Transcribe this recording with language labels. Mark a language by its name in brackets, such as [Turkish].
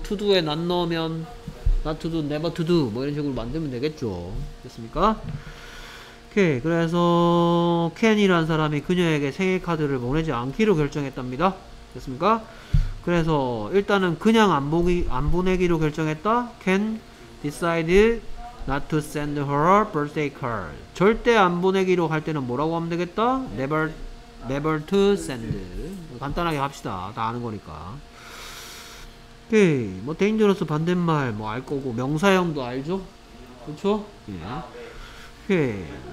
[Korean] to do에 not 넣으면 [English] not to do, never to do [Korean] 뭐 이런 식으로 만들면 되겠죠. 됐습니까? 오케이. 그래서 켄이라는 사람이 그녀에게 생일 카드를 보내지 않기로 결정했답니다. 됐습니까? 그래서 일단은 그냥 안 보내기로 결정했다. [English] 켄 decided not to send her birthday card. [Korean] 절대 안 보내기로 할 때는 뭐라고 하면 되겠다? [English] Never to send. [Korean] 간단하게 합시다. 다 아는 거니까. 오케이. 뭐 dangerous 반대말 뭐 알 거고 명사형도 알죠? 그렇죠? 예. 오케이.